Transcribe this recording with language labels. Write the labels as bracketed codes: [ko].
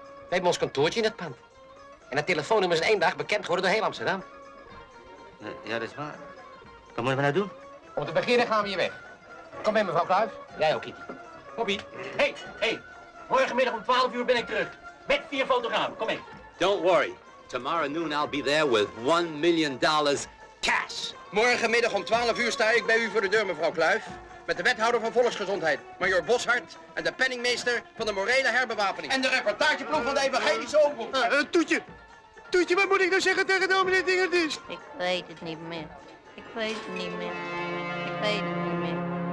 [nl] Wij hebben ons kantoortje in het pand. En dat telefoonnummer is in één dag bekend geworden door heel Amsterdam. Ja, dat is waar. Wat moeten we nou doen? Om te beginnen gaan we hier weg. Kom mee, mevrouw Kluif. Jij ook, Kitty. Bobby. Hé. Morgenmiddag om 12 uur ben ik terug. Met 4 fotografen. Kom mee. [en] Don't worry. Tomorrow noon I'll be there with $1 million cash. [nl] Morgenmiddag om 12 uur sta ik bij u voor de deur, mevrouw Kluif. Met de wethouder van volksgezondheid, majoor Boshart. En de penningmeester van de morele herbewapening. En de reportageploeg van de evangelische overhoop. Toetje. Toetje, wat moet ik nou zeggen tegen dominee Dingerdis? Ik weet het niet meer. Ik weet het niet meer. Ik weet het niet meer.